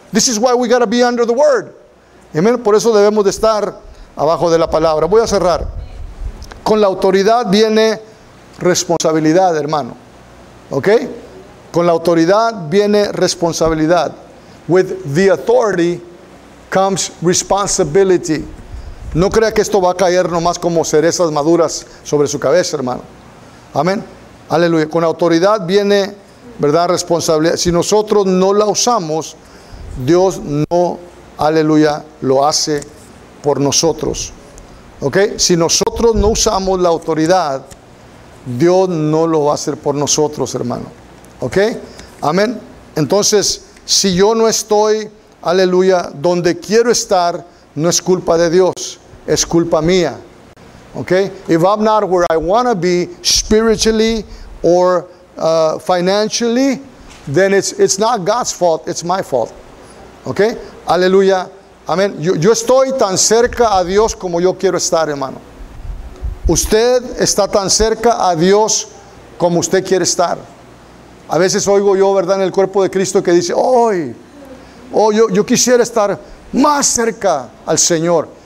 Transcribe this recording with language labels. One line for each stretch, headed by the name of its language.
English: This is why we got to be under the word.
Spanish: Amén. Por eso debemos de estar abajo de la palabra. Voy a cerrar. Con la autoridad viene responsabilidad, hermano. ¿Ok? Con la autoridad viene responsabilidad.
English: With the authority comes responsibility.
Spanish: No crea que esto va a caer nomás como cerezas maduras sobre su cabeza, hermano. Amén. Aleluya. Con autoridad viene, ¿verdad?, responsabilidad. Si nosotros no la usamos, Dios no, aleluya, lo hace por nosotros. ¿Ok? Si nosotros no usamos la autoridad, Dios no lo va a hacer por nosotros, hermano. ¿Ok? Amén. Entonces, si yo no estoy, aleluya, donde quiero estar, no es culpa de Dios, es culpa mía. ¿Ok?
English: If I'm not where I want to be, spiritually or financially, then it's not God's fault, it's my fault.
Spanish: ¿Ok? Aleluya. Amén. Yo estoy tan cerca a Dios como yo quiero estar, hermano. Usted está tan cerca a Dios como usted quiere estar. A veces oigo yo, ¿verdad?, en el cuerpo de Cristo que dice, ¡ay! Oh, yo quisiera estar más cerca al Señor.